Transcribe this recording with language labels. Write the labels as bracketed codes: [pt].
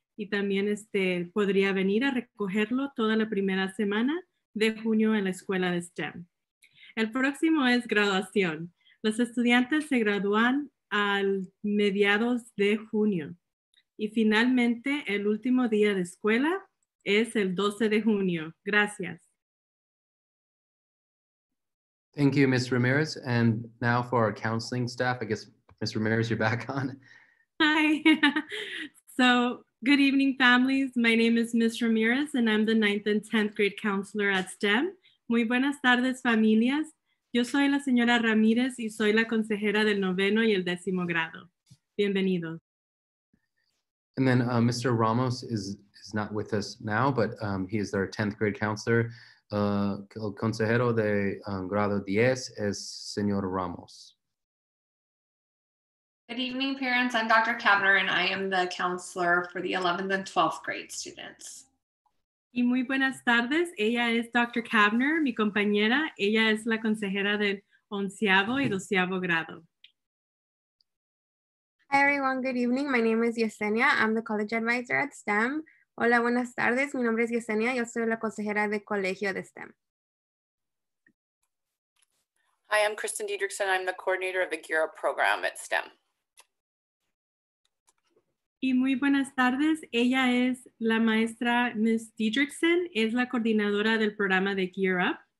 [es] Y también podría venir a recogerlo toda la primera semana de junio en la escuela de STEM. El próximo es graduación. Los estudiantes se gradúan al mediados de junio. Y finalmente, el último día de escuela es el 12 de junio. Gracias. [en] Thank you, Ms. Ramirez. And now for our counseling staff, I guess, Ms. Ramirez, you're back on. Hi. So, good evening, families. My name is Ms. Ramirez, and I'm the 9th and 10th grade counselor at STEM. [es] Muy buenas tardes, familias. Yo soy la señora Ramirez, y soy la consejera del noveno y el décimo grado. Bienvenidos. [en] And then Mr. Ramos is not with us now, but he is our 10th grade counselor. [es] El consejero de grado 10 es señor Ramos. [en] Good evening, parents. I'm Dr. Kavner, and I am the counselor for the 11th and 12th grade students. [es] Y muy buenas tardes. Ella es Dr. Kavner, mi compañera. Ella es la consejera del 11º y 12º grado. [en] Hi, everyone. Good evening. My name is Yesenia. I'm the college advisor at STEM. [es] Hola, buenas tardes. Mi nombre es Yesenia. Yo soy la consejera de colegio de STEM. [en] Hi, I'm Kristen Diedrichsen. I'm the coordinator of the GEARA program at STEM. [es] Y muy buenas tardes. Ella es la maestra Ms. Diedrichsen. Es la coordinadora del programa de GEARA.